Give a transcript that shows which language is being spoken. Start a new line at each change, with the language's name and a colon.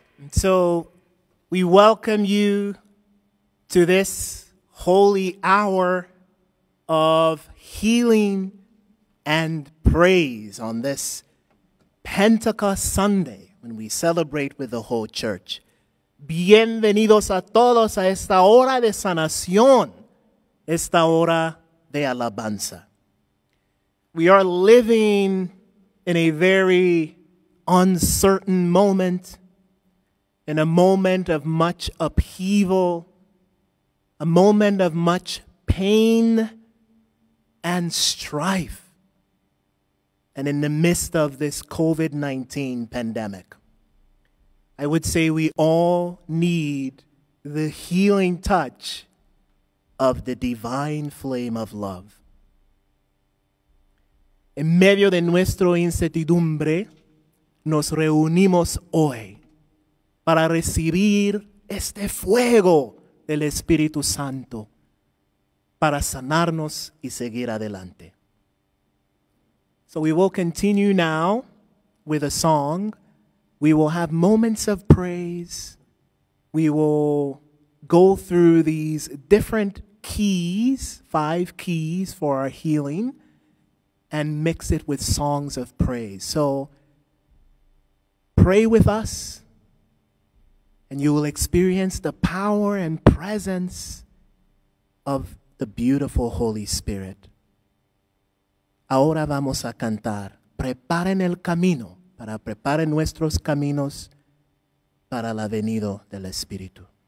English: So we welcome you to this holy hour of healing and praise on this Pentecost Sunday when we celebrate with the whole church.
Spanish: Bienvenidos a todos a esta hora de sanación, esta hora de alabanza.
English: We are living in a very uncertain moment. In a moment of much upheaval, a moment of much pain and strife, and in the midst of this COVID-19 pandemic, I would say we all need the healing touch of the divine flame of love.
Spanish: En medio de nuestra incertidumbre, nos reunimos hoy para recibir este fuego del Espíritu Santo, para sanarnos y seguir adelante.
English: So we will continue now with a song. We will have moments of praise. We will go through these different keys, 5 keys for our healing, and mix it with songs of praise. So pray with us. And you will experience the power and presence of the beautiful Holy Spirit.
Spanish: Ahora vamos a cantar. Preparen el camino para preparar nuestros caminos para la venida del Espíritu.